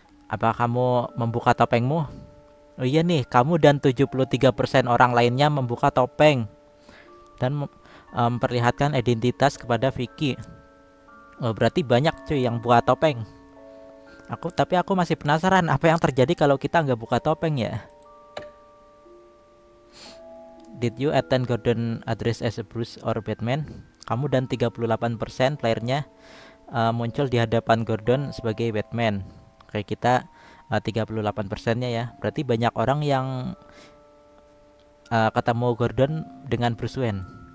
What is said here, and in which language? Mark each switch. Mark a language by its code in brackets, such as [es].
[id] Apa kamu membuka topengmu? Oh iya nih, kamu dan 73% orang lainnya membuka topeng dan memperlihatkan identitas kepada Vicky. Oh, berarti banyak cuy yang buka topeng. Aku masih penasaran apa yang terjadi kalau kita nggak buka topeng ya. [en] Did you attend Gordon address as a Bruce or Batman? [id] Kamu dan 38% playernya muncul di hadapan Gordon sebagai Batman. Kayak kita 38%-nya ya. Berarti banyak orang yang ketemu Gordon dengan Bruce Wayne.